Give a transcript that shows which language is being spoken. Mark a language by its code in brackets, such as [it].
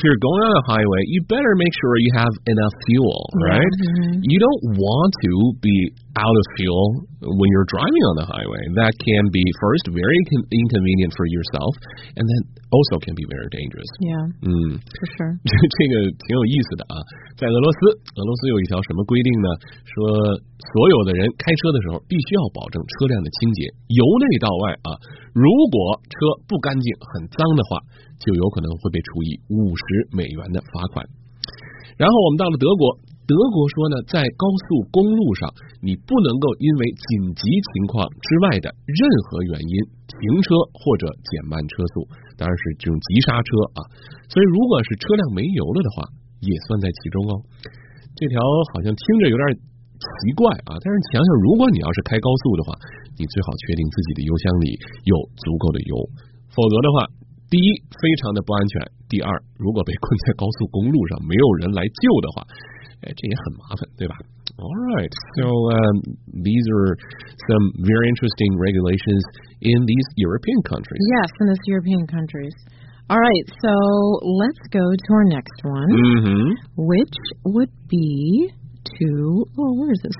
[en] If you're going on a highway, you better make sure you have enough fuel, right? Mm-hmm. You don't want to be out of fuel when you're driving on the highway. That can be, first, very inconvenient for yourself, and then also can be very dangerous. Yeah, for sure. [zh] 这个挺有意思的啊。在俄罗斯有一条什么规定呢？说所有的人开车的时候必须要保证车辆的清洁，由内到外啊。如果车不干净、很脏的话，就有可能会被处以$50的罚款。然后我们到了德国。德国说呢，在高速公路上，你不能够因为紧急情况之外的任何原因停车或者减慢车速，当然是这种急刹车啊。所以如果是车辆没油了的话，也算在其中哦。这条好像听着有点奇怪啊，但是想想如果你要是开高速的话，你最好确定自己的油箱里有足够的油，否则的话，第一非常的不安全，第二如果被困在高速公路上没有人来救的话，这也很麻烦，对吧？ [en] All right, so these are some very interesting regulations in these European countries. Yes, in these European countries. All right, so let's go to our next one, which would be to, where is it?